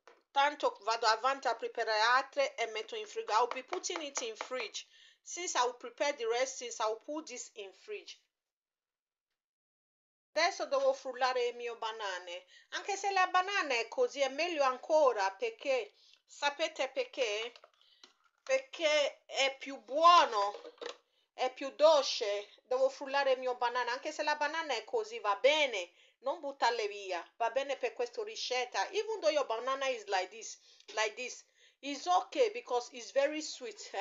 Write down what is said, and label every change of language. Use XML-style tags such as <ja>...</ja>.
<it>Tanto vado avanti a preparare altre e metto in frigo.</it> <en>I'll be putting it in fridge. Since I'll prepare the rest, since I'll put this in fridge.</en> <it>Adesso devo frullare il mio banane. Anche se la banana è così, è meglio ancora. Perché? Sapete perché? Perché è più buono. È più dolce. Devo frullare il mio banane. Anche se la banana è così, va bene. Non buttarle via. Va bene per questa ricetta.</it> <en>Even though your banana is like this, it's okay because it's very sweet.</en>